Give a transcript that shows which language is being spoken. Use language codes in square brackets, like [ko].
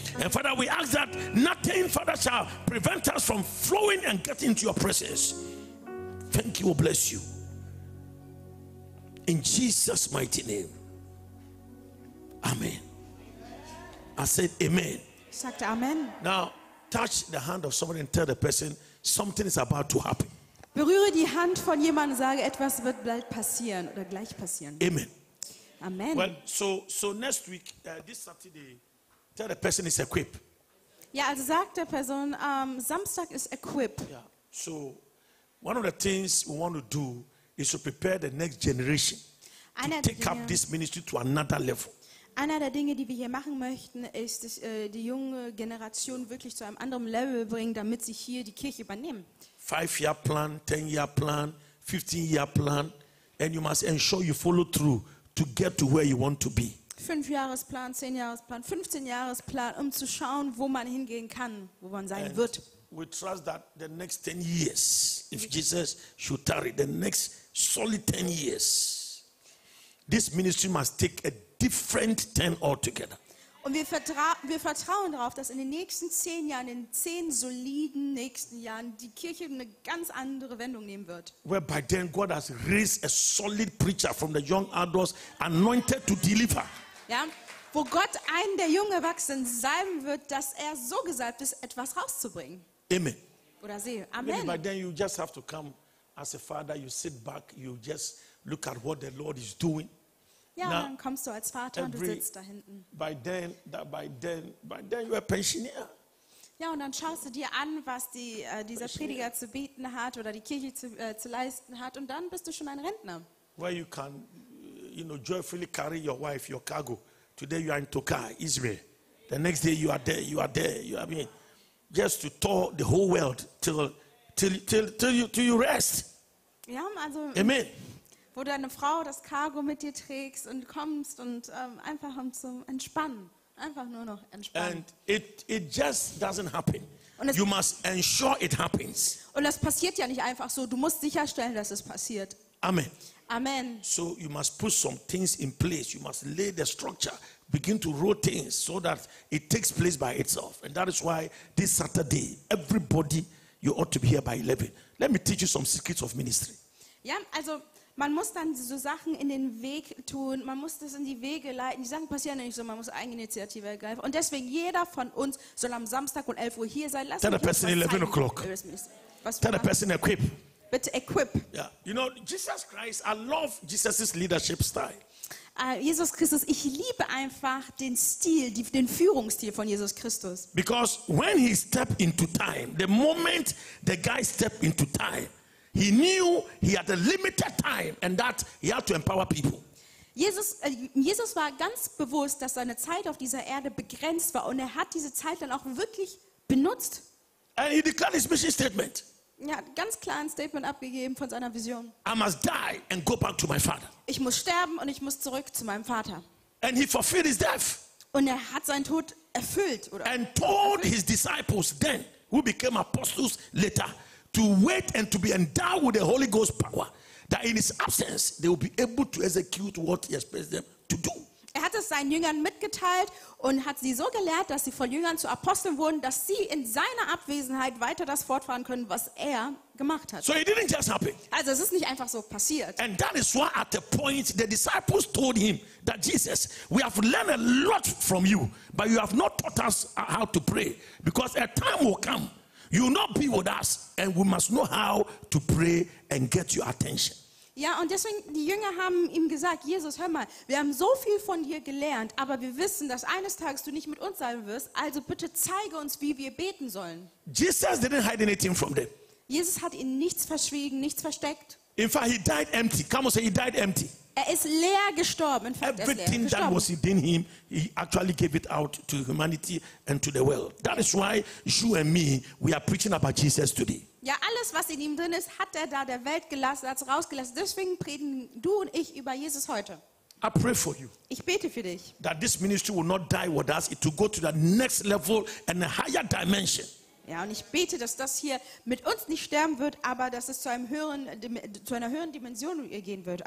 [en] And Father, we ask that nothing, Father, shall prevent us from flowing and getting into your presence. Thank you, bless you. In Jesus' mighty name. Amen. I said amen. Sacta, amen. Now, touch the hand of someone and tell the person something is about to happen. [de] Berühre die Hand von jemandem und sage, etwas wird bald passieren oder gleich passieren. [en] Amen. Amen. Well, so next week, this Saturday, tell the person is equipped. [de] Ja, also sagt der Person, Samstag ist equipped. [en] Yeah. So, one of the things we want to do is to prepare the next generation [de] Einer [en] to take [de] Dinge, [en] up this ministry to another level. [de] Einer der Dinge, die wir hier machen möchten, ist die junge Generation wirklich zu einem anderen Level bringen, damit sie hier die Kirche übernehmen. [en] 5-year plan, 10-year plan, 15-year plan, and you must ensure you follow through to get to where you want to be. [de] 5-Jahresplan, 10-Jahresplan, 15-Jahresplan, um zu schauen, wo man hingehen kann, wo man sein [en] and [de] wird. [en] We trust that the next 10 years, if Jesus should tarry, the next solid 10 years, this ministry must take a different turn altogether. [de] Und wir vertrauen darauf, dass in den nächsten 10 Jahren, in 10 soliden nächsten Jahren, die Kirche eine ganz andere Wendung nehmen wird. [en] Whereby then God has raised a solid preacher from the young adults, anointed to deliver. [de] Ja, wo Gott einen der jungen Erwachsenen salben wird, dass er so gesalbt ist, etwas rauszubringen. [en] Amen. [de] Oder sehe, Amen. [en] Whereby then you just have to come as a father, you sit back, you just look at what the Lord is doing. [de] Ja, now, dann kommst du als Vater und du sitzt da hinten. [en] By then you are pensioner. [de] Ja, und dann schaust du dir an, was dieser Prediger zu bieten hat oder die Kirche zu leisten hat, und dann bist du schon ein Rentner. [en] Where you can, you know, joyfully carry your wife, your cargo. Today you are in Tokai, Israel. The next day you are there. You know what I mean, just to tour the whole world till you rest. [de] Ja, also. [en] Amen. [de] Wo deine Frau das Cargo mit dir trägst und kommst und einfach um zum Entspannen. Einfach nur noch entspannen. [en] And it just doesn't happen. You must ensure it happens. [de] Und das passiert ja nicht einfach so. Du musst sicherstellen, dass es passiert. [en] Amen. Amen. So you must put some things in place. You must lay the structure. Begin to roll things so that it takes place by itself. And that is why this Saturday, everybody, you ought to be here by 11. Let me teach you some secrets of ministry. [de] Ja, also man muss dann so Sachen in den Weg tun, man muss das in die Wege leiten. Die Sachen passieren ja nicht so, man muss Eigeninitiative ergreifen. Und deswegen, jeder von uns soll am Samstag um 11 Uhr hier sein. Lass [en] tell the person 11 o'clock. Tell the person equip. [de] Bitte equip. [en] Yeah. You know, Jesus Christ, I love Jesus' leadership style. [de] Jesus Christus, ich liebe einfach den Stil, den Führungsstil von Jesus Christus. [en] Because when he stepped into time, the moment the guy stepped into time, he knew he had a limited time and that he had to empower people. [de] Jesus war ganz bewusst, dass seine Zeit auf dieser Erde begrenzt war, und er hat diese Zeit dann auch wirklich benutzt. [en] And he declared his mission statement. [de] Ja, ganz klar ein Statement abgegeben von seiner Vision. [en] I must die and go back to my father. [de] Ich muss sterben und ich muss zurück zu meinem Vater. [en] And he fulfilled his death. [de] Und er hat seinen Tod erfüllt, oder? [en] And told his disciples then, who became apostles later, to wait and to be endowed with the Holy Ghost power, that in his absence they will be able to execute what he has placed them to do. [de] Er hat es seinen Jüngern mitgeteilt und hat sie so gelehrt, dass sie von Jüngern zu Aposteln wurden, dass sie in seiner Abwesenheit weiter das fortfahren können, was er gemacht hat. [en] So it didn't just happen. [de] Also es ist nicht einfach so passiert. [en] And that is why at the point the disciples told him that Jesus, we have learned a lot from you, but you have not taught us how to pray, because a time will come, you will not be with us, and we must know how to pray and get your attention. [de] Ja, und deswegen, die Jünger haben ihm gesagt, Jesus, hör mal, wir haben so viel von dir gelernt, aber wir wissen, dass eines Tages du nicht mit uns sein wirst, also bitte zeige uns, wie wir beten sollen. [en] Jesus didn't hide anything from them. [de] Jesus hat ihnen nichts verschwiegen, nichts versteckt. [en] In fact, he died empty. Come on, say, he died empty. [de] Er ist leer gestorben. [en] In fact, everything [de] er ist leer [en] that [de] gestorben. [en] Was in him, he actually gave it out to humanity and to the world. That is why you and me, we are preaching about Jesus today. [de] Ja, alles, was in ihm drin ist, hat er da der Welt gelassen, hat es rausgelassen. Deswegen predigen du und ich über Jesus heute. [en] I pray for you. [de] Ich bete für dich. [en] That this ministry will not die with us. It will go to the next level and a higher dimension. [de] Ja, und ich bete, dass das hier mit uns nicht sterben wird, aber dass es zu einer höheren Dimension gehen wird.